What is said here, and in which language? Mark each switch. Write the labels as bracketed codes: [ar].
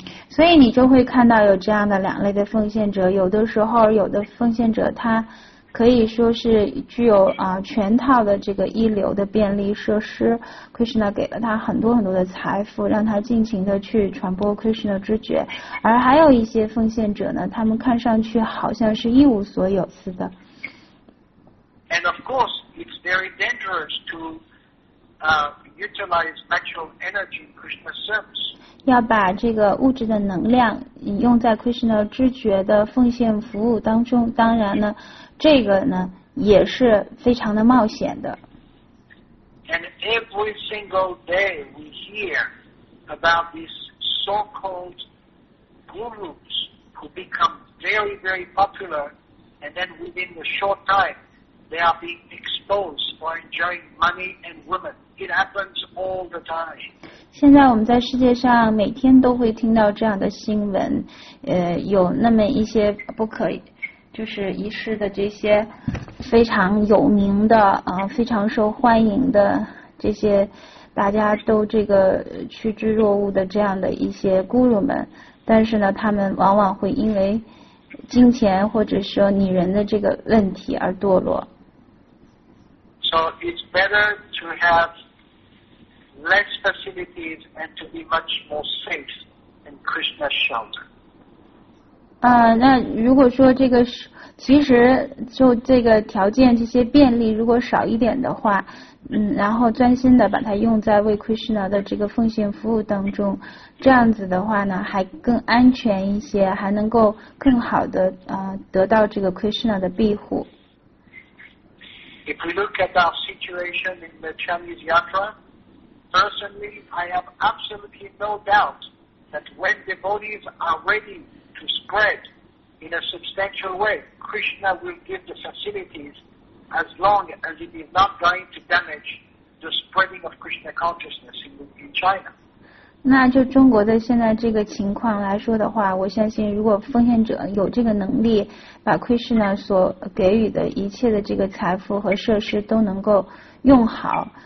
[zh] 所以你就会看到有这样的两类的奉献者，有的时候有的奉献者他可以说是具有全套的这个一流的便利设施 ，Krishna 给了他很多很多的财富，让他尽情的去传播 Krishna 知觉。而还有一些奉献者呢，他们看上去好像是一无所有似的。 [en] And of course, it's very dangerous to utilize natural energy in Krishna's service. [zh] 要把这个物质的能量用在 Krishna 知觉的奉献服务当中，当然呢。这个呢也是非常的冒险的。 [en] And every single day we hear about these so-called gurus who become very, very popular, and then within a short time they are being exposed for enjoying money and women. It happens all the time. [zh] 现在我们在世界上每天都会听到这样的新闻，有那么一些不可。就是一世的这些非常有名的非常受欢迎的这些大家都这个趋之若鹜的这样的一些guru们但是呢他们往往会因为金钱或者说女人的这个问题而堕落 [en] So it's better to have less facilities and to be much more safe in Krishna's shelter [zh] 那如果说这个其实就这个条件这些便利如果少一点的话然后专心的把它用在为 Krishna 的这个奉献服务当中这样子的话呢还更安全一些还能够更好的得到这个 Krishna 的庇护 [en] If we look at our situation in the Chinese Yatra personally I have absolutely no doubt that when devotees are readyTo spread in a substantial way, Krishna will give the facilities as long as it is not going to damage the spreading of Krishna consciousness in China. [zh] 那就中国的现在这个情况来说的话，我相信如果奉献者有这个能力，把 Krishna 所给予的一切的这个财富和设施都能够用好，